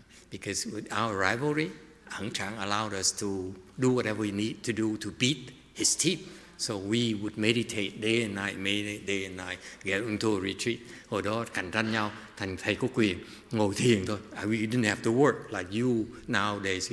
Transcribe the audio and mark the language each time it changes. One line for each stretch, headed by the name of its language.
English: Because with our rivalry, Ang Chang allowed us to do whatever we need to do to beat his team. So we would meditate day and night, get into a retreat.
Vietnamese: Hồi đó cạnh tranh nhau thành thầy có quyền ngồi thiền thôi.
English: We didn't have to work like you nowadays.